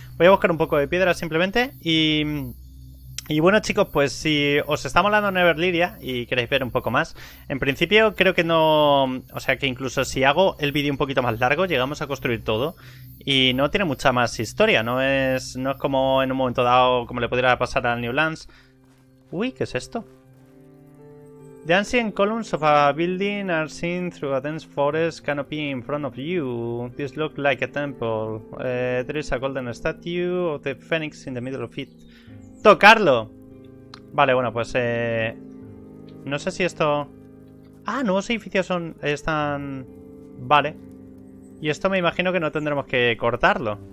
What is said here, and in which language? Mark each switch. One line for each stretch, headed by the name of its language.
Spanish: Voy a buscar un poco de piedra simplemente y bueno, chicos, pues si os está molando Neverliria y queréis ver un poco más, en principio creo que no... O sea, que incluso si hago el vídeo un poquito más largo, llegamos a construir todo y no tiene mucha más historia. No es como en un momento dado como le pudiera pasar al Newlands. Uy, ¿qué es esto?
English: The ancient columns of a building are seen through a dense forest canopy in front of you. This looks like a temple. There is a golden statue of the phoenix in the middle of it.
Spanish: ¡Tocarlo! Vale, bueno, pues no sé si esto... ¡Ah! Nuevos edificios son... están... Vale. Y esto me imagino que no tendremos que cortarlo.